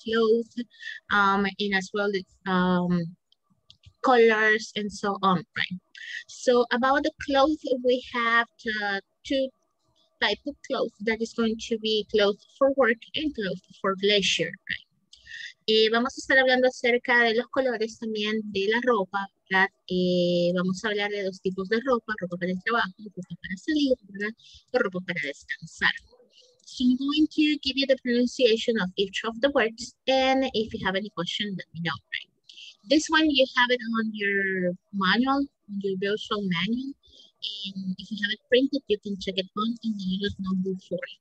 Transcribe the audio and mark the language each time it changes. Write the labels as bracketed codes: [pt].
[en] Clothes, and as well as colors and so on, right? So about the clothes, we have two types of clothes that is going to be clothes for work and clothes for leisure, right? [es] Y vamos a estar hablando acerca de los colores también de la ropa, ¿verdad? Vamos a hablar de dos tipos de ropa, ropa para el trabajo, ropa para salir, ¿verdad? O ropa para descansar. [en] So I'm going to give you the pronunciation of each of the words, and if you have any question, let me know, right? This one, you have it on your manual, on your virtual manual, and if you have it printed, you can check it on in the unit number 4.